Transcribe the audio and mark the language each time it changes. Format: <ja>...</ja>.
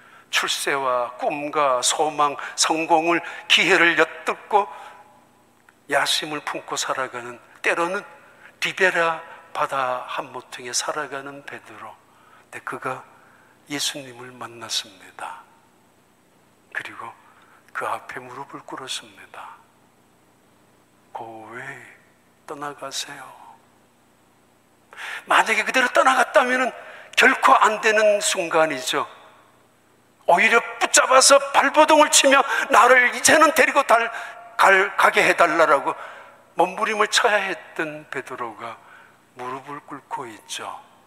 <ko>출세와 꿈과 소망, 성공을, 기회를 엿듣고 야심을 품고 살아가는, 때로는 리베라 바다 한모퉁에 살아가는 베드로, 근데 그가 예수님을 만났습니다. 그리고 그 앞에 무릎을 꿇었습니다.</ko> <en>Go away,</en> <ko>떠나가세요. 만약에 그대로 떠나갔다면 결코 안 되는 순간이죠. 오히려 붙잡아서 발버둥을 치며 나를 이제는 데리고 가게 해달라고 몸부림을 쳐야 했던 베드로가 무릎을 꿇고 있죠.</ko>